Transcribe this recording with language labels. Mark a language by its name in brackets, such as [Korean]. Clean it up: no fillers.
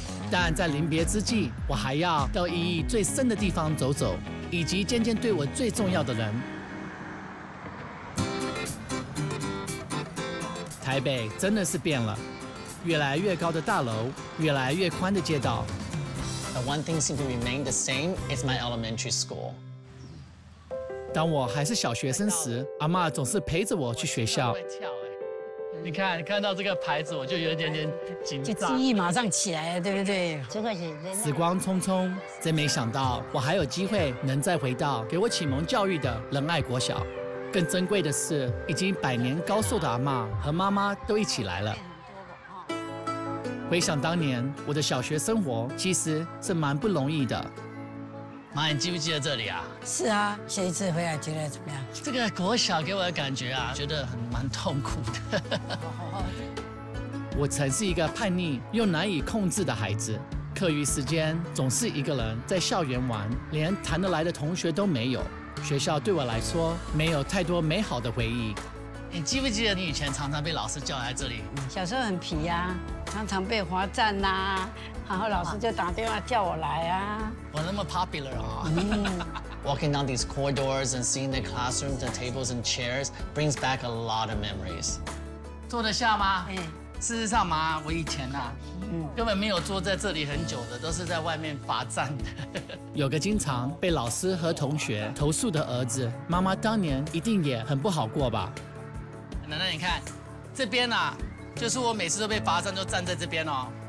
[Chinese] 但在临别之际，我还要到意义最深的地方走走，以及见见对我最重要的人。台北真的是变了，越来越高的大楼，越来越宽的街道。 [English] The one thing seems to remain the same is my elementary school. [Chinese] 当我还是小学生时，阿嬷总是陪着我去学校。你看，看到这个牌子，我就有一点点紧张，就记忆马上起来了，对不对？时光匆匆，真没想到我还有机会能再回到给我启蒙教育的仁爱国小。更珍贵的是，已经百年高寿的阿嬷和妈妈都一起来了。回想当年，我的小学生活其实是蛮不容易的。妈，你记不记得这里啊？是啊，这一次回来觉得怎么样？这个国小给我的感觉啊，觉得很蛮痛苦的。我曾是一个叛逆又难以控制的孩子，课余时间总是一个人在校园玩，连谈得来的同学都没有。学校对我来说没有太多美好的回忆。你记不记得你以前常常被老师叫来这里？小时候很皮啊，常常被罚站啊，然后老师就打电话叫我来啊。我那么 popular 啊、 [English] Walking down these corridors and seeing the classroom, the tables and chairs brings back a lot of memories. [Chinese] 坐得下吗？事实上嘛，我以前啊、根本没有坐在这里很久的，都是在外面罚站的。有个经常被老师和同学投诉的儿子，妈妈当年一定也很不好过吧？奶奶，你看，这边啊，就是我每次都被罚站，就站在这边哦。